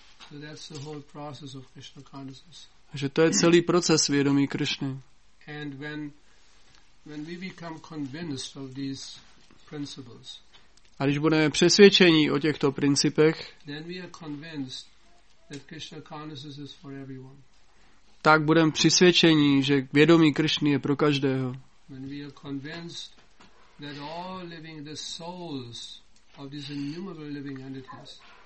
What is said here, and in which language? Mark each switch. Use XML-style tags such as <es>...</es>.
<en>So that's the whole process of Krishna consciousness.</en> <cs>Že to je celý proces vědomí Krishny.</cs> <en>And when we become convinced of these principles.</en> <cs>A když budeme přesvědčení o těchto principech,</cs> <en>then we are convinced that Krishna consciousness is for everyone.</en> <cs>Tak budeme přesvědčení, že vědomí Krishny je pro každého.</cs> <en>When we are convinced that all living the souls of these innumerable living entities.</en>